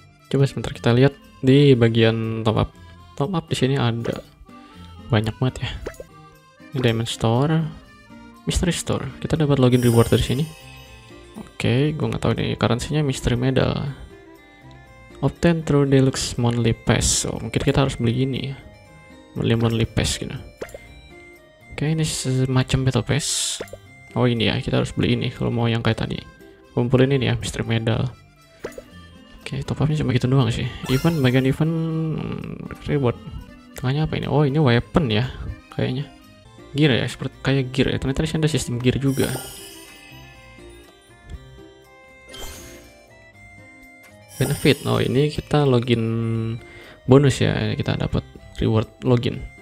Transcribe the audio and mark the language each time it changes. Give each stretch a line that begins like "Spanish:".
Indonesian: Coba sebentar kita lihat di bagian top up. Top up di sini ada banyak banget ya. Diamond Store, Mystery Store. Kita dapat login reward dari sini. Oke, gua nggak tahu nih currency-nya Mystery Medal.
English: Obtain through Deluxe Monthly Pass.
Indonesian: So, mungkin kita harus beli ini ya. Beli Monthly Pass gitu. Oke, ini semacam Battle Pass. Oh ini ya, kita harus beli ini kalau mau yang kayak tadi. Kumpulin ini ya, Mystery Medal. Oke, top up-nya cuma gitu doang sih. Event, bagian event, reward. Tengahnya apa ini? Oh ini weapon ya, kayaknya. Gear ya, seperti kayak gear ya. Ternyata disini ada sistem gear juga. Benefit, oh ini kita login bonus ya, kita dapat reward login.